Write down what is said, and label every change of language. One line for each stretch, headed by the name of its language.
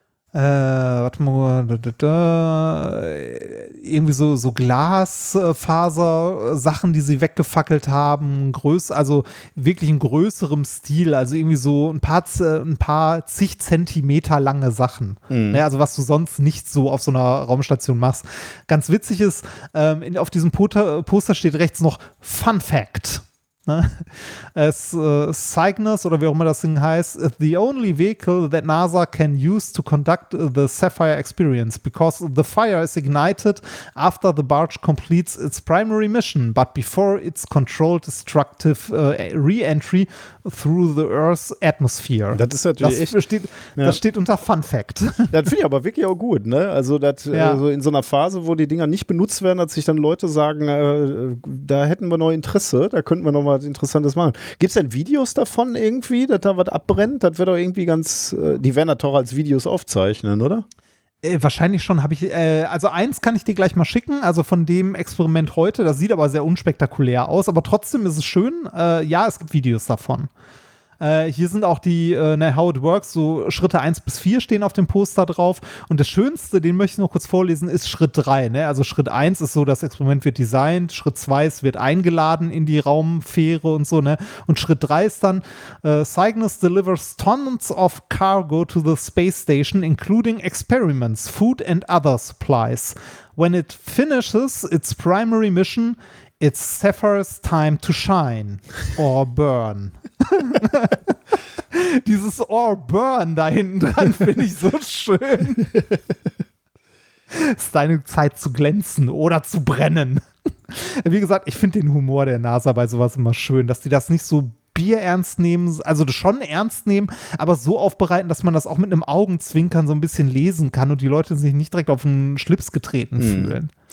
German: warte mal, irgendwie so Glasfaser-Sachen, die sie weggefackelt haben, also wirklich in größerem Stil, also irgendwie so ein paar zig Zentimeter lange Sachen, ne, also was du sonst nicht so auf so einer Raumstation machst. Ganz witzig ist, auf diesem Poster steht rechts noch Fun Fact. Es Cygnus oder wie auch immer das Ding heißt,
English: the only vehicle that NASA can use to conduct the Sapphire experience, because the fire is ignited after the barge completes its primary mission, but before its controlled destructive re-entry through the Earth's atmosphere.
German: Das ist natürlich Das steht unter Fun Fact. Das finde ich aber wirklich auch gut, ne? Also also in so einer Phase, wo die Dinger nicht benutzt werden, dass sich dann Leute sagen, da hätten wir noch Interesse, da könnten wir noch mal Interessantes machen. Gibt es denn Videos davon irgendwie, dass da was abbrennt? Das wird doch irgendwie ganz, die werden das doch als Videos aufzeichnen, oder? Wahrscheinlich schon, habe ich, also eins kann ich dir gleich mal schicken, also von dem Experiment heute, das sieht aber sehr unspektakulär aus, aber trotzdem ist es schön, ja, es gibt Videos davon. Hier sind auch die,
English: how it works,
German: so Schritte 1 bis 4 stehen auf dem Poster drauf, und das Schönste, den möchte ich noch kurz vorlesen, ist Schritt 3, ne? Also Schritt 1 ist so, das Experiment wird designt, Schritt 2 ist, wird eingeladen in die Raumfähre und so, ne? Und Schritt 3 ist dann,
English: Cygnus delivers tons of cargo to the space station, including experiments, food and other supplies. When it finishes its primary mission, it's Sapphire's time to shine or burn.
German: Dieses
English: or burn
German: da hinten dran finde ich so schön. Es ist deine Zeit zu glänzen oder zu brennen. Wie gesagt, ich finde den Humor der NASA bei sowas immer schön, dass die das nicht so bierernst nehmen, also schon ernst nehmen, aber so aufbereiten, dass man das auch mit einem Augenzwinkern so ein bisschen lesen kann und die Leute sich nicht direkt auf den Schlips getreten fühlen.